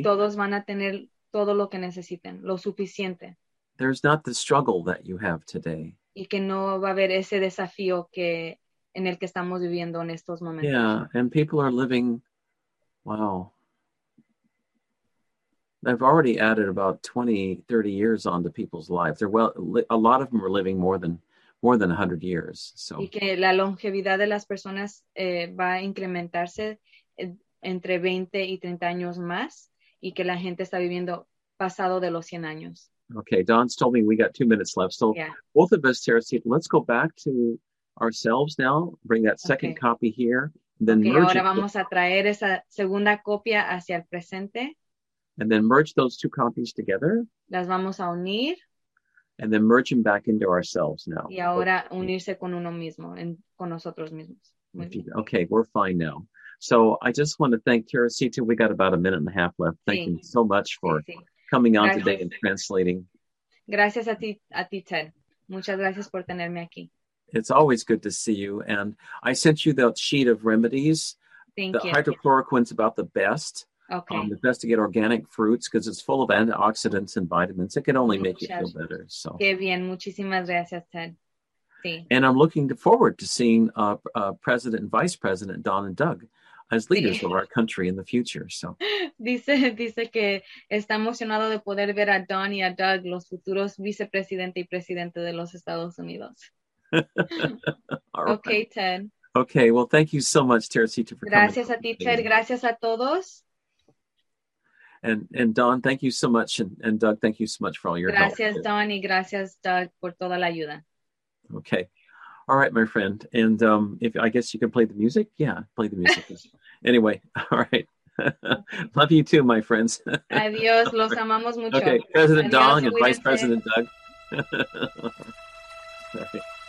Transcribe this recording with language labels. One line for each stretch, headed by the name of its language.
Spanish: y todos van a tener todo lo que necesiten, lo suficiente.
English: There's not the struggle that you have today.
Spanish: Y que no va a haber ese desafío que en el que estamos viviendo en estos momentos.
English: Yeah, and people are living, wow. They've already added about 20, 30 years onto people's lives. They're well, a lot of them are living more than 100 years. So.
Spanish: Y que la longevidad de las personas va a incrementarse entre 20 y 30 años más y que la gente está viviendo pasado de los 100 años.
English: Okay, Don's told me we got 2 minutes left. So both of us, Teresita, let's go back to ourselves now, bring that second copy here, then merge
Spanish: ahora vamos a traer esa segunda copia hacia el presente.
English: And then merge those two copies together.
Spanish: Las vamos a unir.
English: And then merge them back into ourselves now.
Spanish: Y ahora unirse con uno mismo, con nosotros mismos.
English: Okay, we're fine now. So I just want to thank Teresita. We got about a minute and a half left. Thank you so much for coming on today and translating.
Spanish: Gracias a ti, Ted. Muchas gracias por tenerme aquí.
English: It's always good to see you. And I sent you that sheet of remedies. Thank you. The hydrochloroquine's about the best. Okay. The best to get organic fruits because it's full of antioxidants and vitamins. It can only make you feel better. So.
Spanish: Qué bien. Muchísimas gracias, Ted. Sí.
English: And I'm looking forward to seeing President and Vice President Don and Doug as leaders of our country in the future. So.
Spanish: Dice que está emocionado de poder ver a Don y a Doug, los futuros vicepresidente y presidente de los Estados Unidos.
English: All right. Okay, Ted. Okay, well, thank you so much, Teresita, for
Spanish: gracias
English: coming.
Spanish: Gracias a ti, Ted. Gracias a todos.
English: And Don, thank you so much. And Doug, thank you so much for all your
Spanish: gracias, Gracias, Don, y gracias, Doug, por toda la ayuda.
English: Okay. All right, my friend. And I guess you can play the music. Yeah, play the music. Anyway, all right. Love you too, my friends.
Spanish: Adios. Los amamos mucho.
English: Okay, President Adios, Dong and Vice President Doug. Right.